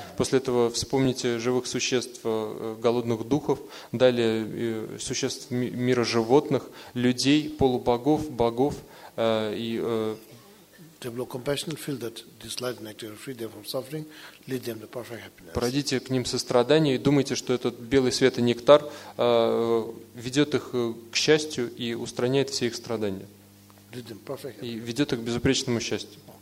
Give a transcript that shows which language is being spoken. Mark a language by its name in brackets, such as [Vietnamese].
[Russian] После этого вспомните живых существ голодных духов, далее существ мира животных, людей, полубогов, богов и [English] Develop compassion, feel that this light and nectar free them from suffering, lead them to perfect happiness. [Russian] Пройдите к ним сострадание и думайте, что этот белый свет и нектар ведет их к счастью и устраняет все их страдания. [English] Lead them perfect happiness. [Russian] И ведет их к безупречному счастью.